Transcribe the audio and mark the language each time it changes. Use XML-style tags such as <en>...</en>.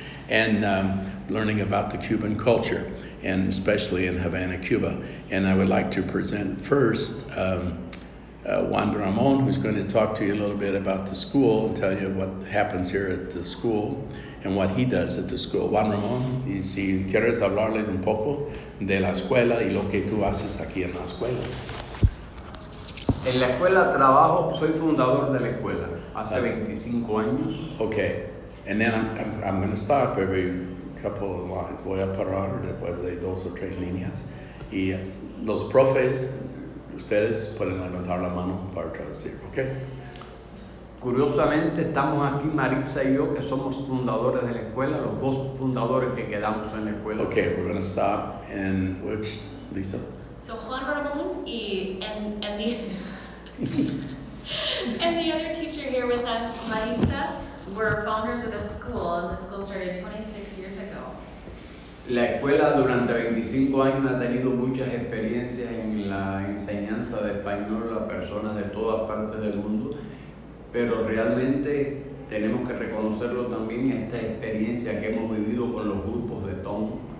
<en>And learning about the Cuban culture, and especially in Havana, Cuba. And I would like to present first Juan Ramon, who's going to talk to you a little bit about the school and tell you what happens here at the school and what he does at the school.</en> <es>Juan Ramon, y si quieres hablarle un poco de la escuela y lo que tú haces aquí en la escuela. En la escuela trabajo, soy fundador de la escuela hace 25 años.</es> <en>Okay, and then I'm going to stop every couple of lines.</en> <es>Voy a parar después de dos o tres líneas. Y los profes, ustedes pueden levantar la mano para traducir, ¿ok? Curiosamente, estamos aquí Maritza y yo, que somos fundadores de la escuela, los dos fundadores que quedamos en la escuela.</es> <en>Ok, we're going to stop. And which, Lisa? So Juan Ramón and the other teacher here with us, Maritza, were founders of the school, and the school started 26 years ago.</en> <es>La escuela durante 25 años ha tenido muchas experiencias en la enseñanza de español a personas de todas partes del mundo, pero realmente tenemos que reconocerlo también esta experiencia que hemos vivido con los grupos de Tom</es>